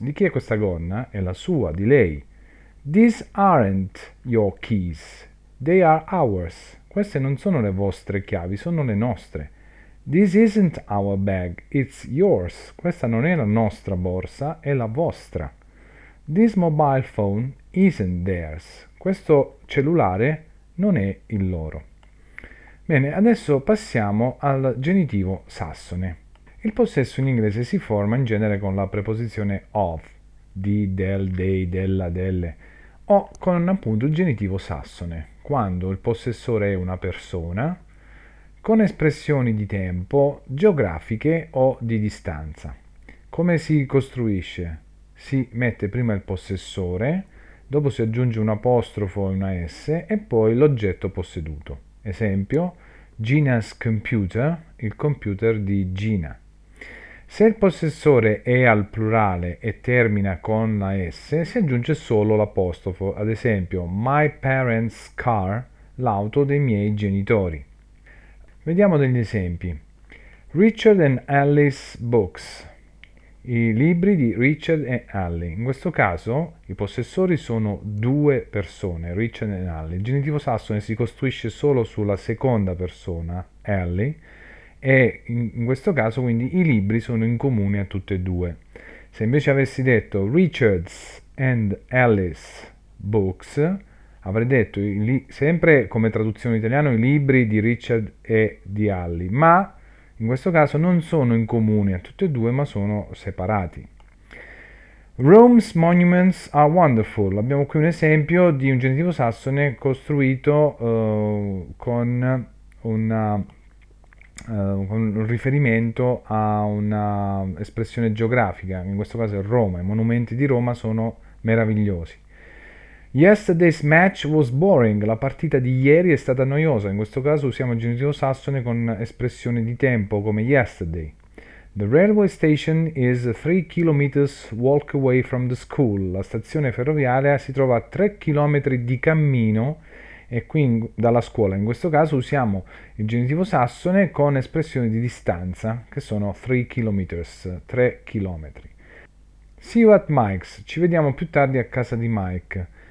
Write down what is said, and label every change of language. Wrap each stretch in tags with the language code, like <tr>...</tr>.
<it>Di chi è questa gonna? È la sua, di lei.</it> <en>These aren't your keys. They are ours.</en> <it>Queste non sono le vostre chiavi, sono le nostre.</it> <en>This isn't our bag. It's yours.</en> <it>Questa non è la nostra borsa, è la vostra.</it> <en>This mobile phone isn't theirs.</en> <it>Questo cellulare non è il loro. Bene, adesso passiamo al genitivo sassone. Il possesso in inglese si forma in genere con la preposizione of, di, del, dei, della, delle, o con appunto il genitivo sassone, quando il possessore è una persona, con espressioni di tempo, geografiche o di distanza. Come si costruisce? Si mette prima il possessore, dopo si aggiunge un apostrofo e una S e poi l'oggetto posseduto. Esempio,</it> <en>Gina's computer,</en> <it>il computer di Gina. Se il possessore è al plurale e termina con la S, si aggiunge solo l'apostrofo, ad esempio,</it> <en>my parents' car,</en> <it>l'auto dei miei genitori. Vediamo degli esempi.</it> <en>Richard and Alice Books.</en> <it>I libri di Richard e Alice. In questo caso i possessori sono due persone, Richard e Alice. Il genitivo sassone si costruisce solo sulla seconda persona, Alice. E in questo caso quindi i libri sono in comune a tutte e due. Se invece avessi detto</it> <en>Richards and Alice Books,</en> <it>avrei detto sempre come traduzione in italiano i libri di Richard e di Ally, ma in questo caso non sono in comune a tutte e due, ma sono separati.</it> <en>Rome's monuments are wonderful.</en> <it>Abbiamo qui un esempio di un genitivo sassone costruito con una, con un riferimento a una espressione geografica, in questo caso è Roma. I monumenti di Roma sono meravigliosi.</it> <en>Yesterday's match was boring.</en> <it>La partita di ieri è stata noiosa. In questo caso usiamo il genitivo sassone con espressione di tempo come yesterday.</it> <en>The railway station is 3 km walk away from the school.</en> <it>La stazione ferroviaria si trova a 3 km di cammino e quindi dalla scuola. In questo caso usiamo il genitivo sassone con espressione di distanza che sono 3 km, 3 km.</it> <en>See you at Mike's.</en> <it>Ci vediamo più tardi a casa di Mike.</it>